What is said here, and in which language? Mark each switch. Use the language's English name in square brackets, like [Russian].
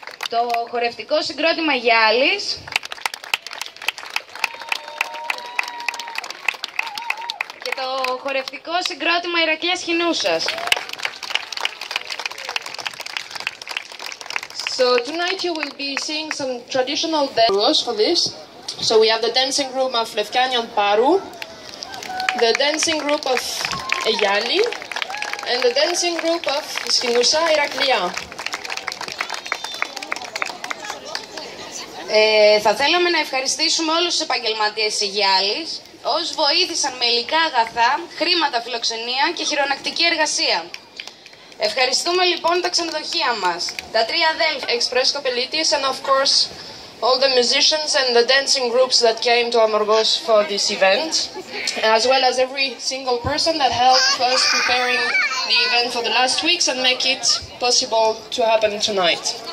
[Greek] Το χορευτικό συγκρότημα Γιάλης. Και το χορευτικό συγκρότημα Ηρακλίας Χινούσας. [English] So tonight you will be seeing some traditional dance rules for this. So we have the dancing group of Lefkanion Paru, the dancing group of Eyali, and the dancing group of Skinusa Iraklia. [Greek] Θα θέλαμε να ευχαριστήσουμε όλους τους επαγγελματίες Ηγιάλης, όσους βοήθησαν με υλικά αγαθά, χρήματα φιλοξενία και χειρονακτική εργασία. Ευχαριστούμε λοιπόν τα ξενοδοχεία μας, τα τρία Δέλφια, [English] Express Kopelitis, and of course all the musicians and the dancing groups that came to Amorgos for this event, as well as every single person that helped us preparing the event for the last weeks and make it possible to happen tonight.